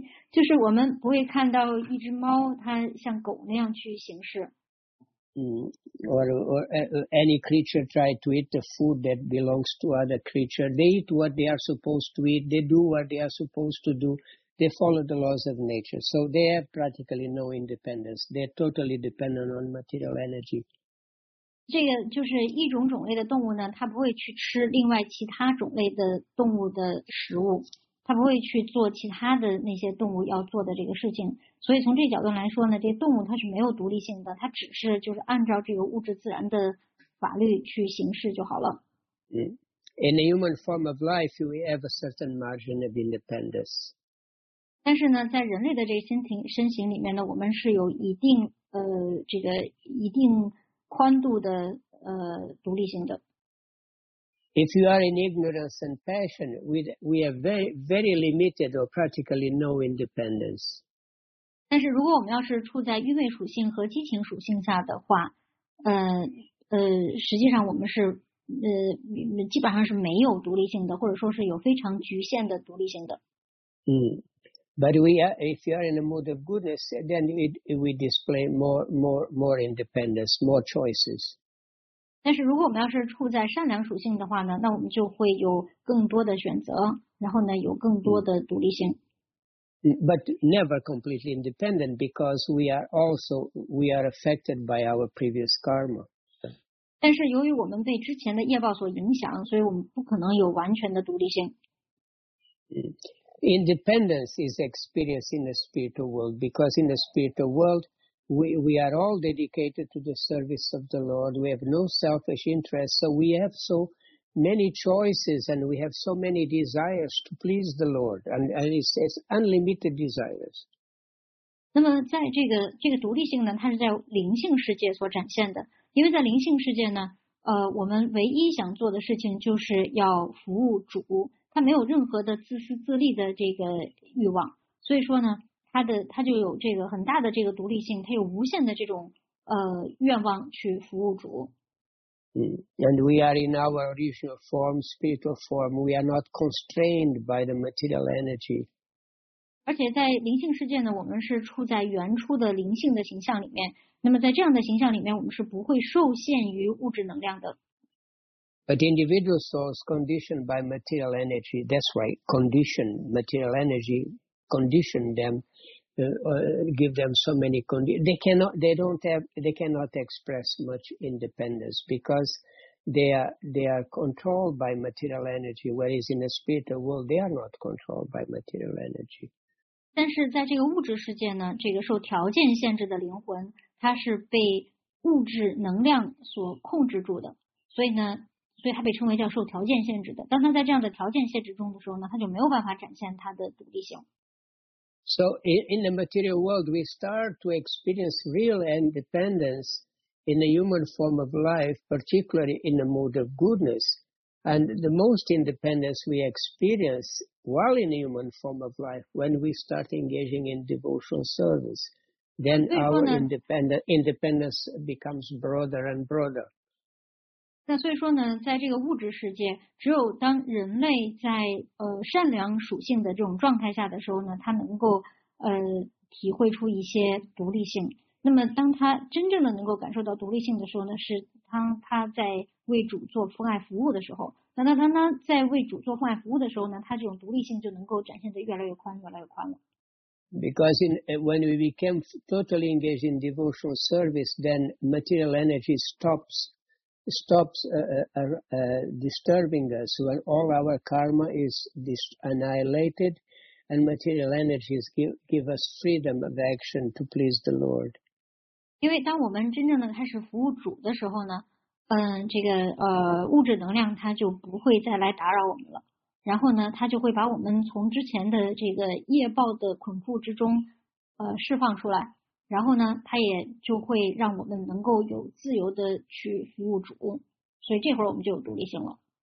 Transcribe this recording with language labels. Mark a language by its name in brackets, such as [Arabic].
[Chinese] 就是我们不会看到一只猫它像狗那样去行事。 [English] Or any creature try to eat the food that belongs to other creature. They eat what they are supposed to eat. They do what they are supposed to do. They follow the laws of nature. So they have practically no independence. They're totally dependent on material energy. [Chinese] 这个就是一种种类的动物呢，它不会去吃另外其他种类的动物的食物。他不会去做其他的那些动物要做的这个事情。所以从这角度来说呢，这动物它是没有独立性的，它只是就是按照这个物质自然的法律去行事就好了。 [English] In a human form of life, we have a certain margin of independence. [Chinese] 但是呢，在人类的这个身形里面呢，我们是有一定这个一定宽度的独立性的。 [English] If you are in ignorance and passion, we have very, very limited or practically no independence. [Chinese] 但是如果我们要是处在欲味属性和激情属性下的话，实际上我们是基本上是没有独立性的，或者说是有非常局限的独立性的。 [English] But if you are in a mood of goodness, then we display more independence, more choices. [Chinese] 但是如果我们要是处在善良属性的话呢，那我们就会有更多的选择，然后呢有更多的独立性。 [English] But never completely independent because we are affected by our previous karma. [Chinese] 但是由于我们被之前的业报所影响，所以我们不可能有完全的独立性。 [English] Independence is experienced in the spiritual world because in the spiritual world we are all dedicated to the service of the Lord. We have no selfish interests, so we have so many choices and we have so many desires to please the Lord, and it says unlimited desires. [Chinese] 那么在这个独立性呢，它是在灵性世界所展现的，因为在灵性世界呢，我们唯一想做的事情就是要服务主。他没有任何的自私自利的这个欲望，所以说呢，他就有这个很大的这个独立性，他有无限的这种愿望去服务主。 [English] And we are in our original form, spiritual form. We are not constrained by the material energy. [Chinese] 而且在灵性世界呢，我们是处在原初的灵性的形象里面。那么在这样的形象里面，我们是不会受限于物质能量的。 [English] But individual souls conditioned by material energy, that's right, condition, material energy, condition them, give them so many conditions. They cannot express much independence because they are controlled by material energy, whereas in the spiritual world, they are not controlled by material energy. [Chinese] 但是在这个物质世界呢，这个受条件限制的灵魂，它是被物质能量所控制住的，所以呢。所以它被称为叫受条件限制的。当它在这样的条件限制中的时候呢，它就没有办法展现它的独立性。 [English] So in the material world, we start to experience real independence in the human form of life, particularly in the mode of goodness. And the most independence we experience while in the human form of life, when we start engaging in devotional service, then our independence becomes broader and broader. [Chinese] 那所以说呢，在这个物质世界，只有当人类在善良属性的这种状态下的时候呢，他能够体会出一些独立性。那么当他真正的能够感受到独立性的时候呢，是当他在为主做父爱服务的时候。那当他呢在为主做父爱服务的时候呢，他这种独立性就能够展现得越来越宽，越来越宽了。 [English] Because when we became totally engaged in devotional service, then material energy stops disturbing us when all our karma is annihilated and material energies give us freedom of action to please the Lord. [Chinese] 因为当我们真正的开始服务主的时候呢，这个物质能量它就不会再来打扰我们了，然后呢它就会把我们从之前的这个业报的捆缚之中释放出来。然后呢，他也就会让我们能够有自由的去服务主，所以这会儿我们就有独立性了。